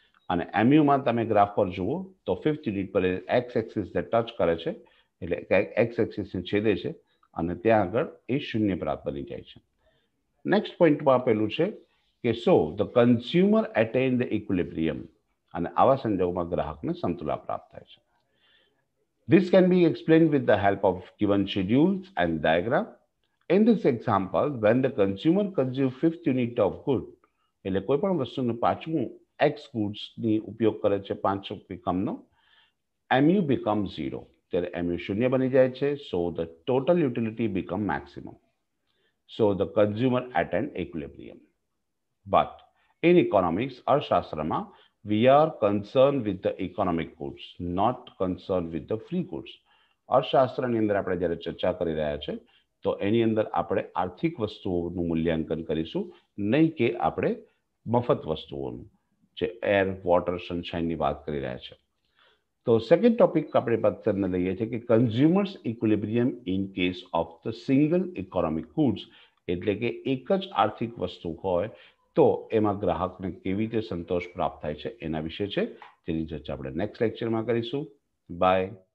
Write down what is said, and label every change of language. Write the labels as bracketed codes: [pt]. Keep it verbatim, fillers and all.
[gu] અને એમયુમાં તમે ગ્રાફ પર જુઓ તો ફિફ્થ યુનિટ પર એક્સ એક્સિસને ટચ કરે છે, એટલે એક્સ એક્સિસને છેદે છે અને ત્યાં આગળ એ શૂન્ય પ્રાપ્ત બની જાય છે. નેક્સ્ટ પોઈન્ટમાં આપેલું છે કે [en] so the consumer attain the equilibrium, [gu] અને આવા સંજોગોમાં ગ્રાહકને સમતુલા પ્રાપ્ત થાય છે. [en] This can be explained with the help of given schedules and diagram. In this example, when the consumer consumes fifth unit of good, [gu] એટલે કોઈ પણ વસ્તુનું પાંચમું એક્સ ગુડ્સની ઉપયોગ કરે છે, પાંચ એકમનો, એમયુ become ઝીરો, ત્યારે એમયુ શૂન્ય બની જાય છે. [en] So the total utility become maximum. So the consumer at an equilibrium. But in economics, અર્થશાસ્ત્રમાં we are concerned with the economic goods, not concerned with the free goods. [gu] અર્થશાસ્ત્રની અંદર આપણે જ્યારે ચર્ચા કરી રહ્યા છે તો એની અંદર આપણે આર્થિક વસ્તુઓનું મૂલ્યાંકન કરીશું, નહીં કે આપણે મફત વસ્તુઓનું, જે એર, વોટર, સનશાઇનની વાત કરી રહ્યા છે. તો સેકન્ડ ટોપિક આપણે પત્તરને લઈએ છીએ કે [en] consumer's equilibrium in case of the single economic goods, [gu] એટલે કે એક જ આર્થિક વસ્તુ હોય તો એમાં ગ્રાહકને કેવી રીતે સંતોષ પ્રાપ્ત થાય છે એના વિશે છે, જેની ચર્ચા આપણે નેક્સ્ટ લેક્ચરમાં કરીશું. બાય.